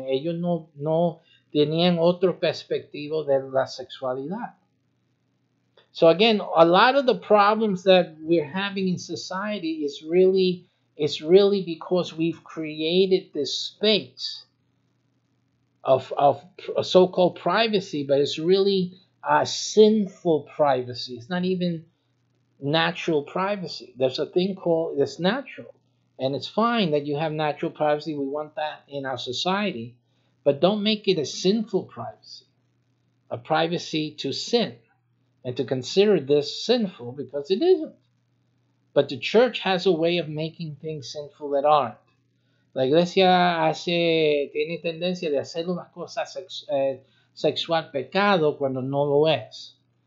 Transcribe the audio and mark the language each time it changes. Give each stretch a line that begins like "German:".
Spanish: Ellos no tenían otro perspectivo de la sexualidad.
English: So again, a lot of the problems that we're having in society is really because we've created this space of a so-called privacy, but it's really a sinful privacy. It's not even natural privacy. There's a thing called that's natural, and it's fine that you have natural privacy. We want that in our society, but don't make it a sinful privacy, a privacy to sin. and to consider this sinful because it isn't. But the church has a way of making things sinful that aren't.
Spanish: La iglesia hace, tiene tendencia de hacer unas cosas sexual pecado cuando no lo es.